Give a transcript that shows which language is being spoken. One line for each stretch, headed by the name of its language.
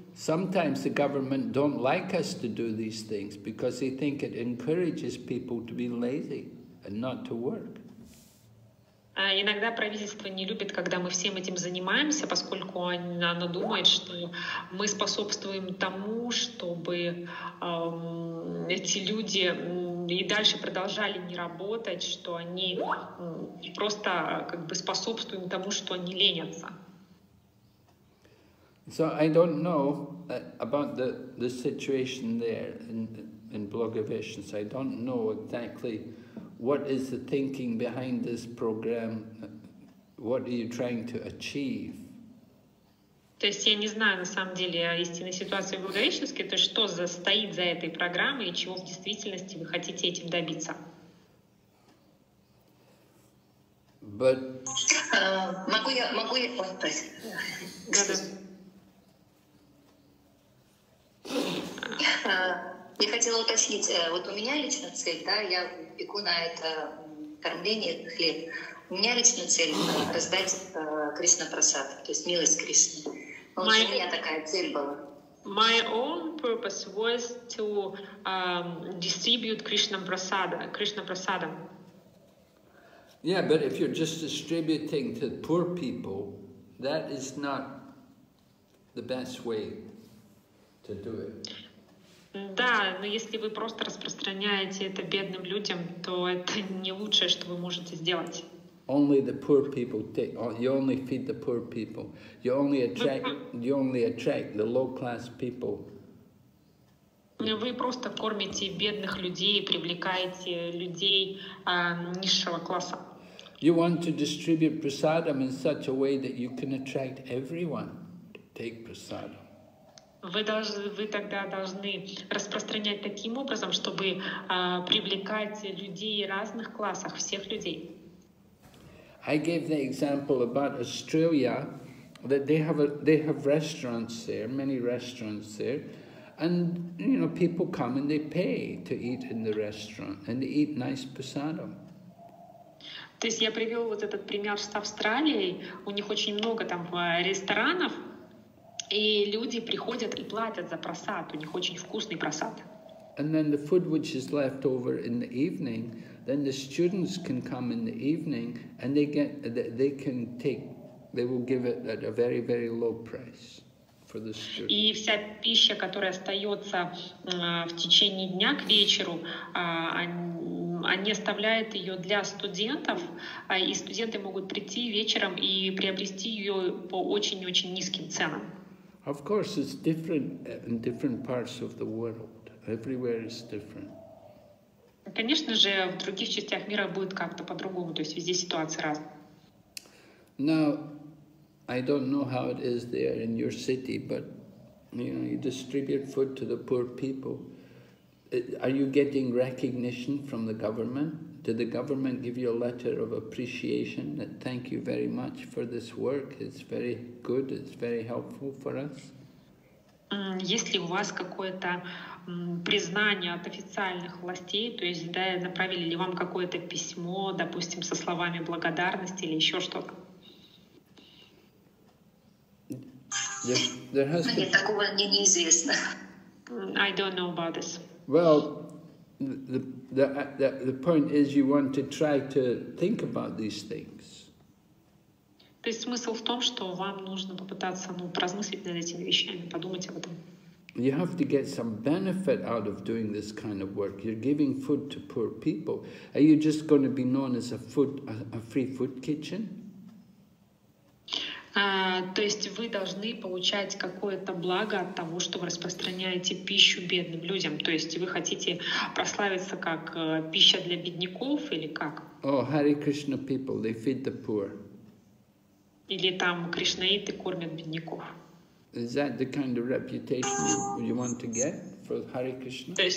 English: Sometimes the government don't like us to do these things because they think it encourages people to be lazy and not to work.
Russian: Иногда правительство не любит, когда мы всем этим занимаемся, поскольку оно думает, что мы способствуем тому, чтобы эти люди и дальше продолжали не работать, что они просто как бы способствуем тому, что они ленятся.
English: So I don't know about the situation there in Blagoveshchensk. I don't know exactly what is the thinking behind this program. What are you trying to achieve?
Russian: То есть я не знаю на самом деле о истинной ситуации в Благовещенске, то есть что стоит за этой программой и чего в действительности вы хотите этим добиться.
English: But
Russian: могу я я хотела уточнить, вот у меня лично цель, да, я пеку на это кормление, хлеб. У меня лично цель раздать Кришна Прасад, то есть милость Кришны. У меня такая цель была.
English: My own purpose was to distribute Krishna Prasada, Krishna Prasadam. Yeah, but if you're just distributing to poor people, that is not the best way to do it.
Russian: Да, но если вы просто распространяете это бедным людям, то это не лучшее, что вы можете сделать.
English: Only the poor people take. You only feed the poor people. You only attract the low class people.
Russian: Вы просто кормите бедных людей, привлекаете людей низшего класса.
English: You want to distribute prasadam in such a way that you can attract everyone to take prasadam.
Russian: Вы тогда должны распространять таким образом, чтобы привлекать людей разных классов, всех людей.
English: I gave the example about Australia that they have restaurants there, many restaurants there, and you know, people come and they pay to eat in the restaurant and they eat nice prasadam.
Russian: То есть я привел вот этот пример с Австралией. У них очень много там ресторанов, и люди приходят и платят за просад. У них очень вкусный просад.
English: And then the food which is left over in the evening, then the students can come in the evening and they get, they can take, they will give it at a very, very low price for the students.
Russian: И вся пища, которая остается в течение дня к вечеру, они оставляют ее для студентов, и студенты могут прийти вечером и приобрести ее по очень-очень низким ценам.
English: Of course, it's different in different parts of the world. Everywhere is different.
Russian: Конечно же, в других частях мира будет как-то по-другому, то есть везде ситуация разная.
English: Now, I don't know how it is there in your city, but you know, you distribute food to the poor people. Are you getting recognition from the government? Did the government give you a letter of appreciation that thank you very much for this work? It's very good. It's very helpful for us.
Russian: Есть ли у вас какое-то признание от официальных властей, то есть да, направили ли вам какое-то письмо, допустим, со словами благодарности или еще что-то? Мне такого неизвестно.
English: I don't know about this. Well, the point is you want to try to think about these things.
Russian: То есть смысл в том, что вам нужно попытаться, ну, поразмыслить над этими вещами, подумать об этом.
English: You have to get some benefit out of doing this kind of work. You're giving food to poor people. Are you just going to be known as a free food kitchen?
Russian: То есть вы должны получать какое-то благо от того, что вы распространяете пищу бедным людям. То есть вы хотите прославиться как пища для бедняков или как?
English: Oh, Hare Krishna people, they feed the poor.
Russian: Или там кришнаиты кормят бедняков.
English: Is that the kind of reputation you want to get for Hare Krishna?